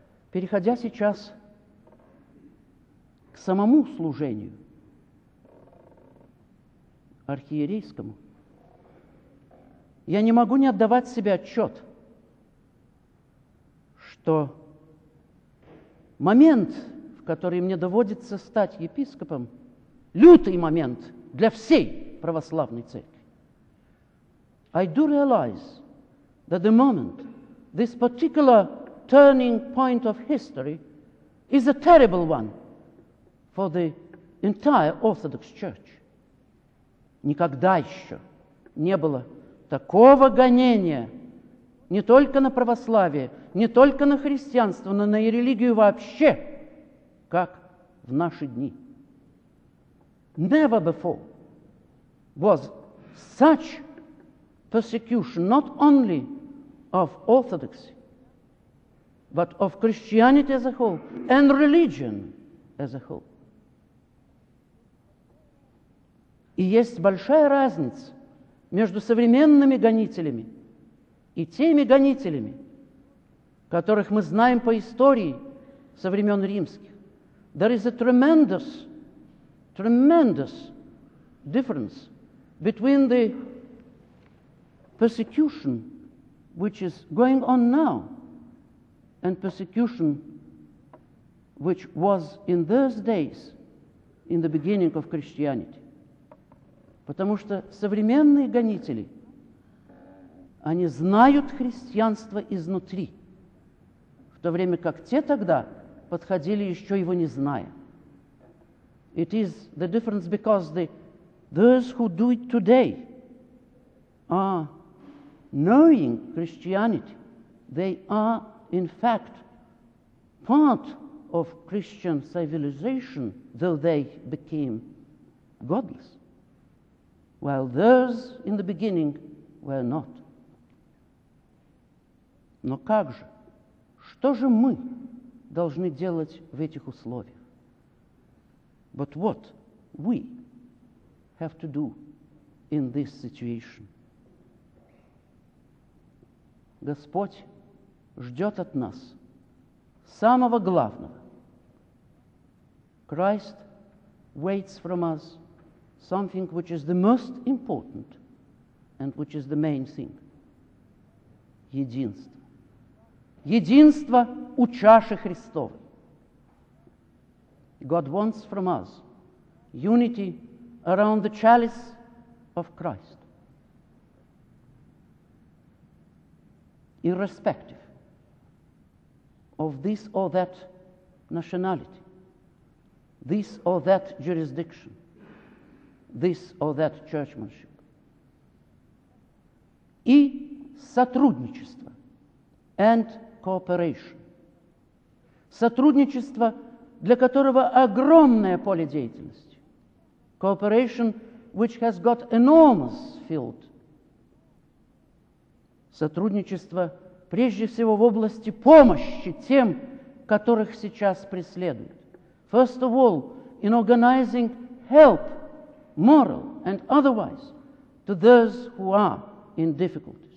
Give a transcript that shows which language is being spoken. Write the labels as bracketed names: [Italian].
[Russian] Переходя сейчас к самому служению архиерейскому, я не могу не отдавать себе отчет, что момент, который мне доводится стать епископом, лютый момент для всей православной церкви. [English] I do realize that the moment, this particular turning point of history, is a terrible one for the entire Orthodox Church. [Russian] Никогда еще не было такого гонения не только на православие, не только на христианство, но на и религию вообще, как в наши дни. [English] Never before was such persecution not only of Orthodoxy, but of Christianity as a whole and religion as a whole. [Russian] И есть большая разница между современными гонителями и теми гонителями, которых мы знаем по истории со времен римских. [English] There is a tremendous, tremendous difference between the persecution which is going on now and persecution which was in those days in the beginning of Christianity. [Russian] Потому что современные гонители, они знают христианство изнутри, в то время как те тогда подходили, еще его не зная. [English] It is the difference because those who do it today are knowing Christianity. They are, in fact, part of Christian civilization, though they became godless, while those in the beginning were not. [Russian] Но как же? Что же мы должны делать в этих условиях? [English] But what we have to do in this situation? [Russian] Господь ждет от нас самого главного. [English] Christ waits from us something which is the most important and which is the main thing. [Russian] Единство. Единство у чаши Христовой. [English] God wants from us unity around the chalice of Christ. Irrespective of this or that nationality, this or that jurisdiction, this or that churchmanship. [Russian] И сотрудничество [English] and cooperation. [Russian] Сотрудничество, для которого огромное поле деятельности. [English] Cooperation, which has got enormous field. [Russian] Сотрудничество, прежде всего, в области помощи тем, которых сейчас преследуют. [English] First of all, in organizing help, moral and otherwise, to those who are in difficulties.